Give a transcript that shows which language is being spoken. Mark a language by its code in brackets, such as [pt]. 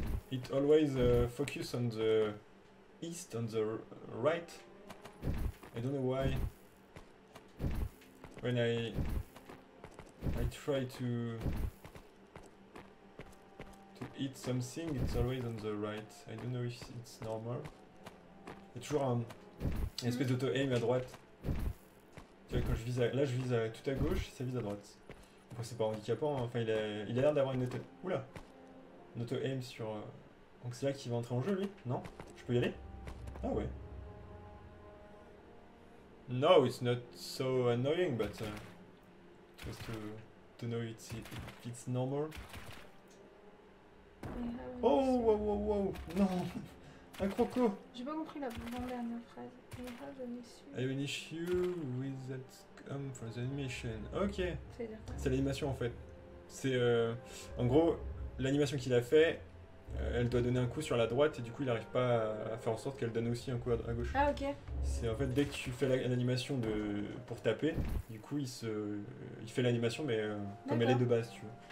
[en] It always focus on the east, on the right. I don't know why. When I try to eat something, it's always on the right. I don't know if it's normal. [fr] Il y a toujours un espèce d'auto aim à droite. Tu vois, quand je vise à, là, je vise à, tout à gauche, ça vise à droite. C'est pas handicapant, enfin il a l'air d'avoir une auto... Oula. Une auto-aim sur... Donc c'est là qu'il va entrer en jeu lui, non? Je peux y aller? Ah ouais. [en] No, it's not so annoying, but... just to know it's normal. [fr] Oh, wow, non. Un croco. J'ai pas compris la dernière phrase. [en] I have an issue with that come for the animation. [fr] Ok. C'est-à-dire quoi? C'est l'animation en fait. C'est en gros, l'animation qu'il a fait, elle doit donner un coup sur la droite et du coup il n'arrive pas à faire en sorte qu'elle donne aussi un coup à gauche. Ah ok. C'est en fait dès que tu fais l'animation pour taper, du coup il fait l'animation mais comme elle est de base, tu vois.